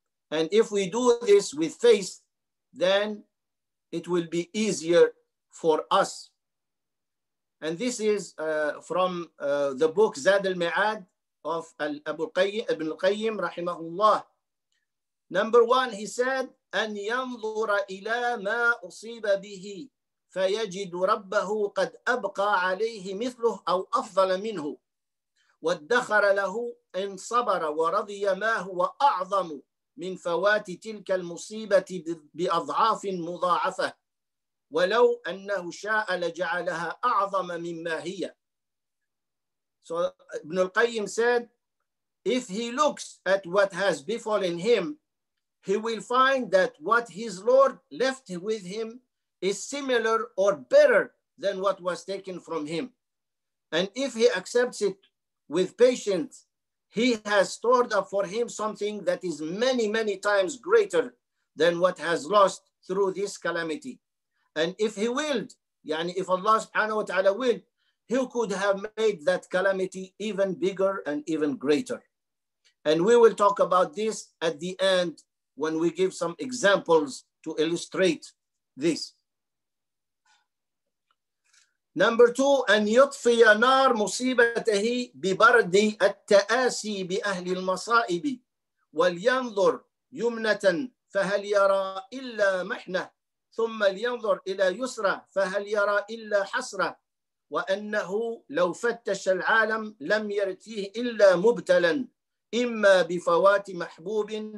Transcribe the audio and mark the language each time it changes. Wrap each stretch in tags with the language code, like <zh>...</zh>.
<en>And if we do this with faith, then it will be easier for us. And this is from the book Zad al-Mi'ad of Ibn al-Qayyim, rahimahullah. Number one, he said,</en> <ar>أن ينظر إلى ما أصيب به فيجد ربه قد أبقى عليه مثله أو أفضل منه وادخر له إن صبر ورضي ما هو أعظم من فوات تلك المصيبة بأضعاف مضاعفة ولو أنه شاء لجعلها أعظم مما هي.</ar> <en>So Ibn al-Qayyim said, if he looks at what has befallen him, he will find that what his Lord left with him is similar or better than what was taken from him. And if he accepts it with patience, he has stored up for him something that is many, many times greater than what has lost through this calamity. And if he willed, yani if Allah subhanahu wa ta'ala willed, he could have made that calamity even bigger and even greater. And we will talk about this at the end when we give some examples to illustrate this. Number two,</en> <ar>أن يطفي نار مصيبته ببرد التآسي بأهل المصائب ولينظر يمنة فهل يرى إلا محنة ثم لينظر إلى يسرى فهل يرى إلا حسرة وأنه لو فتش العالم لم يرد فيه إلا مبتلا إما بفوات محبوب</ar>